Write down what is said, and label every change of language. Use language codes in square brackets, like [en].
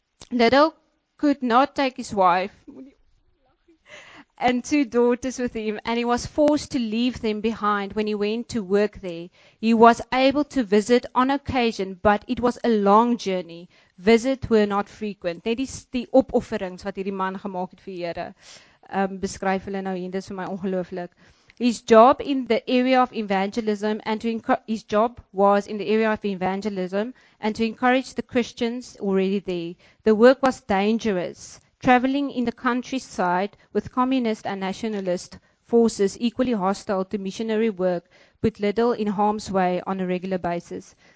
[en] Liddell could not take his wife and two daughters with him, and he was forced to leave them behind when he went to work there. He was able to visit on occasion, but it was a long journey. Visits were not frequent. [af] Net die opofferings wat hierdie man gemaak het vir die Here, beskryf hulle nou hier, dis vir my ongelooflik. [en] His job in the area of evangelism and to his job was in the area of evangelism and to encourage the Christians already there. The work was dangerous. Traveling in the countryside with communist and nationalist forces equally hostile to missionary work put Little in harm's way on a regular basis.